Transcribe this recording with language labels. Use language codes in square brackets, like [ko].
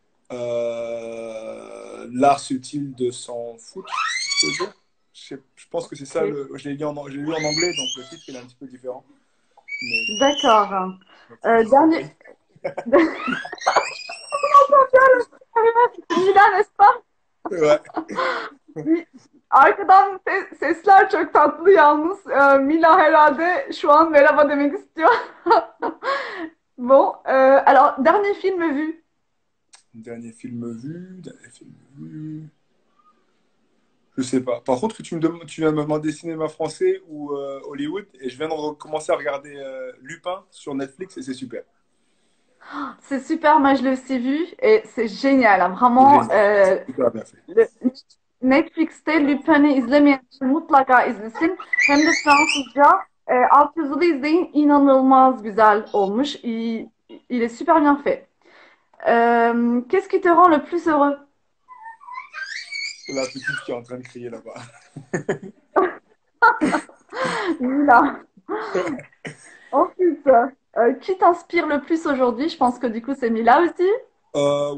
[fr] L'art subtil de s'en foutre. Je pense que c'est ça, Okay. je l'ai lu en anglais, donc le titre il est un petit peu différent. Mais... D'accord. Je pense que c'est Dernier. pareil. Comment t'en viens n'est-ce Ouais. [tr] Arkadan sesler çok tatlı yalnız. Mila herhalde şu an merhaba demek istiyor. [fr] Bon, alors, dernier film vu. Dernier film vu, dernier film vu. Je sais pas. Par contre, tu viens de me demander cinéma français ou Hollywood, et je viens de recommencer à regarder Lupin sur Netflix, et c'est super. C'est super, moi je l'ai aussi vu et c'est génial, hein, C'est vraiment. génial. C'est super bien fait. [tr] Netflix'te Lupin'i izlemeyen mutlaka izlesin. Hem de Fransızca alt yazılı izleyin, inanılmaz güzel olmuş. [fr] Il est super bien fait. Qu'est-ce qui te rend le plus heureux? La petite qui est en train de crier là-bas. Mila. Ensuite, qui t'inspire le plus aujourd'hui? Je pense que du coup, c'est Mila aussi.